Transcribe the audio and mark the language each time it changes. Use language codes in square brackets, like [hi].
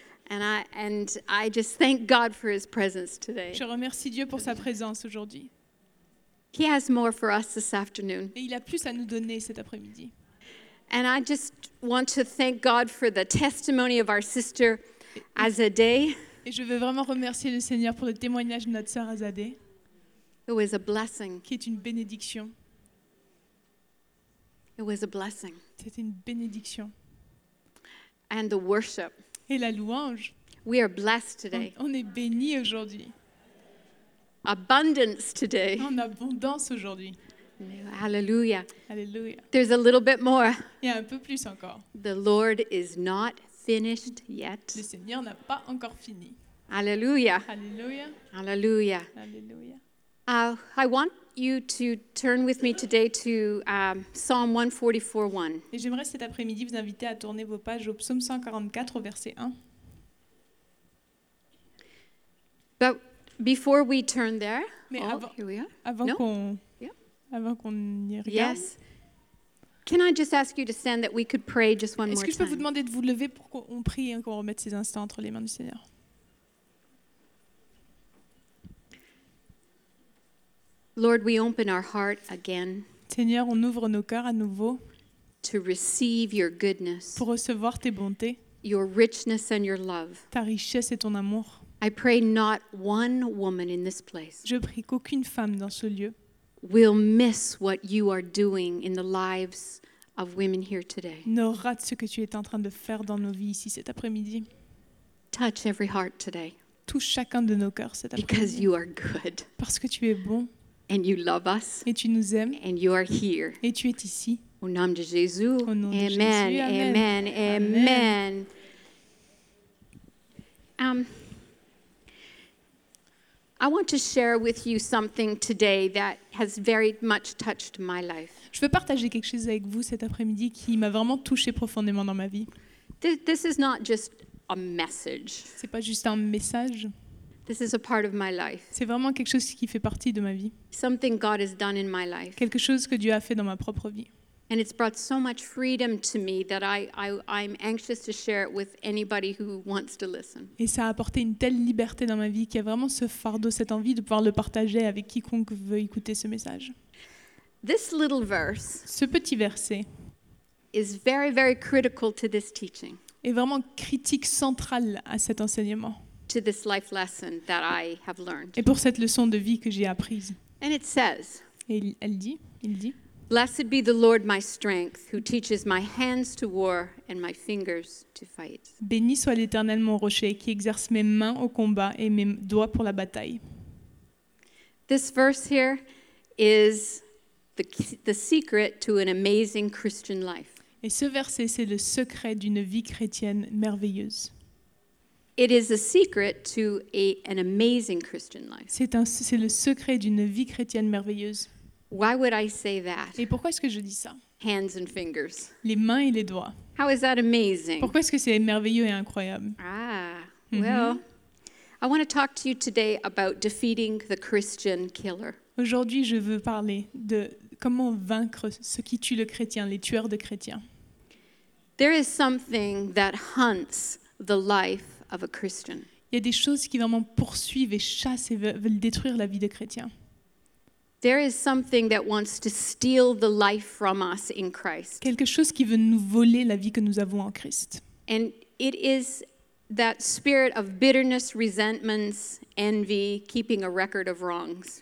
[en] And I just thank God for his presence today. [fr] Je remercie Dieu pour sa présence aujourd'hui. [en] He has more for us this afternoon. [fr] Et il a plus à nous donner cet après-midi. [en] And I just want to thank God for the testimony of our sister Azadeh. [fr] Et je veux vraiment remercier le Seigneur pour le témoignage de notre sœur Azadeh. [en] It was a blessing. [fr] Qui est une bénédiction. [en] It was a blessing. [fr] C'était une bénédiction. [en] And the worship. [fr] Et la louange. [en] We are blessed today. [fr] On est bénis aujourd'hui. [en] Abundance today. [fr] En abondance aujourd'hui. [en] Hallelujah. [fr] Hallelujah. [en] There's a little bit more. [fr] Il y a un peu plus encore. [en] The Lord is not finished yet. [fr] Le Seigneur n'a pas encore fini. [en] Hallelujah. [fr] Hallelujah. [en] Hallelujah. [fr] Hallelujah. [en] I want you to turn with me today to Psalm 144:1. [fr] Et j'aimerais cet après-midi vous inviter à tourner vos pages au Psaume 144 au verset 1. [en] But before we turn there, [fr] avant qu'on y regarde. [en] Yes. Can I just ask you to stand that we could pray just one more time? [fr] Est-ce que je peux vous demander de vous lever pour qu'on prie et qu'on remette ces instants entre les mains du Seigneur? [en] Lord, we open our heart again. [fr] Seigneur, on ouvre nos cœurs à nouveau. [en] To receive your goodness. [fr] Pour recevoir tes bontés. [en] Your richness and your love. [fr] Ta richesse et ton amour. [en] I pray not one woman in this place. [fr] Je prie qu'aucune femme dans ce lieu [en] will miss what you are doing in the lives of women here today. [fr] Ne rate ce que tu es en train de faire dans nos vies ici cet après-midi. [en] Touch every heart today. [fr] Touche chacun de nos cœurs cet après-midi. [en] Because you are good. [fr] Parce que tu es bon. [en] And you love us. [fr] Et tu nous aimes. [en] And you are here. [fr] Et tu es ici. Au nom de Jésus. Au nom amen, de Jésus. Amen. Amen. Amen. Amen. [en] I want to share with you something today that has very much touched my life. [fr] Je veux partager quelque chose avec vous cet après-midi qui m'a vraiment touchée profondément dans ma vie. [en] This is not just a message. [fr] C'est pas juste un message. [en] This is a part of my life. [fr] C'est vraiment quelque chose qui fait partie de ma vie. [en] Something God has done in my life. [fr] Quelque chose que Dieu a fait dans ma propre vie. [en] And it's brought so much freedom to me that I'm anxious to share it with anybody who wants to listen. [fr] Et ça a apporté une telle liberté dans ma vie qu'il y a vraiment ce fardeau, cette envie de pouvoir le partager avec quiconque veut écouter ce message. [en] This little verse. [fr] Ce petit verset. [en] Is very very critical to this teaching. [fr] Est vraiment critique centrale à cet enseignement. [en] To this life lesson that I have learned. [fr] Et pour cette leçon de vie que j'ai apprise. [en] And it says. [fr] Et il dit. [en] Blessed be the Lord my strength, who teaches my hands to war and my fingers to fight. [fr] Béni soit l'Éternel mon rocher, qui exerce mes mains au combat et mes doigts pour la bataille. [en] This verse here is the secret to an amazing Christian life. [fr] Et ce verset, c'est le secret d'une vie chrétienne merveilleuse. [en] It is a secret to an amazing Christian life. [fr] C'est le secret d'une vie chrétienne merveilleuse. [en] Why would I say that? [fr] Et pourquoi est-ce que je dis ça? [en] Hands and fingers. [fr] Les mains et les doigts. [en] How is that amazing? [fr] Pourquoi est-ce que c'est merveilleux et incroyable? Ah, mm-hmm. [en] Well, I want to talk to you today about defeating the Christian killer. [fr] Aujourd'hui, je veux parler de comment vaincre ce qui tue le chrétien, les tueurs de chrétiens. [en] There is something that hunts the life of a Christian. [fr] Il y a des choses qui vraiment poursuivent et chassent et veulent détruire la vie de chrétien. [en] There is something that wants to steal the life from us in Christ. [fr] Quelque chose qui veut nous voler la vie que nous avons en Christ. [en] And it is that spirit of bitterness, resentments, envy, keeping a record of wrongs.